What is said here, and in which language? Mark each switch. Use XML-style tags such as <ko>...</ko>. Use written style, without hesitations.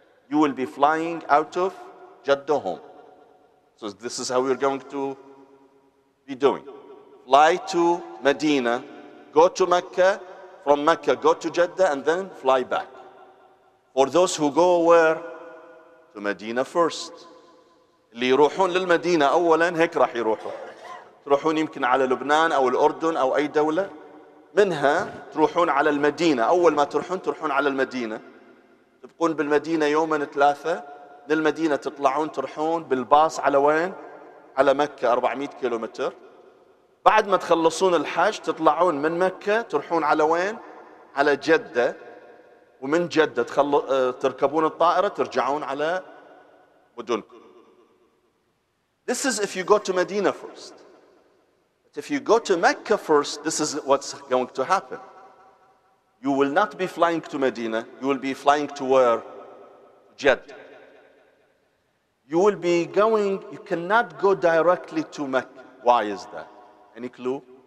<en>You will be flying out of Jeddah home. So this is how we're going to be doing. Fly to Medina, go to Mecca, from Mecca go to Jeddah, and then fly back. For those who go where? To Medina first.</en> <ar>اللي يروحون للمدينة أولاً هيك راح يروحوا. تروحون يمكن على لبنان أو الأردن أو أي دولة. منها تروحون على المدينة. أول ما تروحون تروحون على المدينة. تبقون بالمدينة يوماً ثلاثة. للمدينة تطلعون تروحون بالباص على وين؟ على مكة 400 كيلومتر. بعد ما تخلصون الحج تطلعون من مكة تروحون على وين؟ على جدة. ومن جدة تركبون الطائرة ترجعون على مدنكم.</ar> <en>This is if you go to Medina first. But if you go to Mecca first, this is what's going to happen. You will not be flying to Medina. You will be flying to where? Jeddah. You will be going, you cannot go directly to Mecca. Why is that? Any clue?</en>